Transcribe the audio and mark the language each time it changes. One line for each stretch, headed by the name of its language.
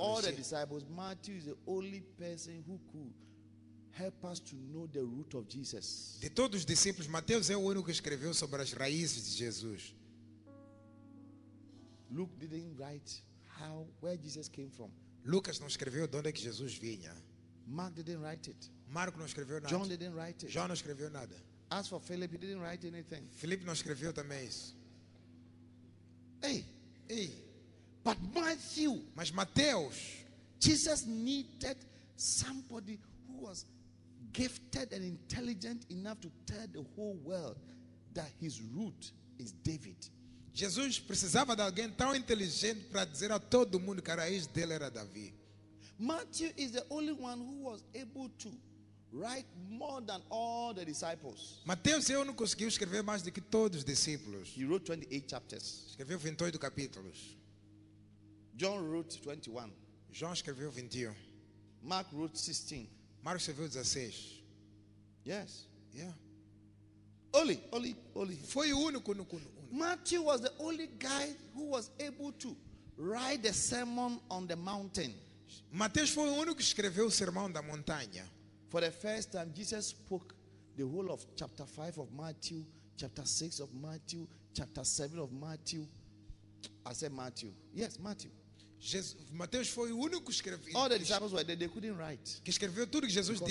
English: Of all the disciples, Matthew is the only person who could help us to know the root of Jesus.
Portuguese: De todos os discípulos, Mateus é o único que escreveu sobre as raízes de Jesus.
English: Luke didn't write how where Jesus came from.
Portuguese: Lucas não escreveu de onde é que Jesus vinha.
English: Mark didn't write it.
Portuguese: Marco não escreveu nada.
English: John didn't write it.
Portuguese: João não escreveu nada.
English: As for Philip, he didn't write anything.
Portuguese: Felipe não escreveu também isso. Ei, ei.
English: But Matthew,
Portuguese: mas Mateus,
English: Jesus needed somebody who was gifted and intelligent enough to tell the whole world that his root is David.
Portuguese: Jesus precisava de alguém tão inteligente para dizer a todo mundo que a raiz dele era Davi.
English: Matthew is the only one who was able to write more than all the disciples.
Portuguese: Mateus é o único que conseguiu escrever mais do que todos os discípulos.
English: He wrote 28 chapters.
Portuguese: Escreveu 28 capítulos.
English: John wrote 21.
Portuguese: João escreveu 21.
English: Mark wrote 16.
Portuguese: Marcos escreveu 16.
English: Yes. Yeah. Only.
Portuguese: Foi o único, único.
English: Matthew was the only guy who was able to write the sermon on the mountain.
Portuguese: Mateus foi o único que escreveu o sermão da montanha.
English: For the first time, Jesus spoke the whole of chapter 5 of Matthew, chapter 6 of Matthew, chapter 7 of Matthew. I said Matthew. Yes, Matthew.
Portuguese: Mateus foi o único que escreveu.
English: All the disciples were there, they couldn't write.
Portuguese: Que escreveu tudo que Jesus
English: because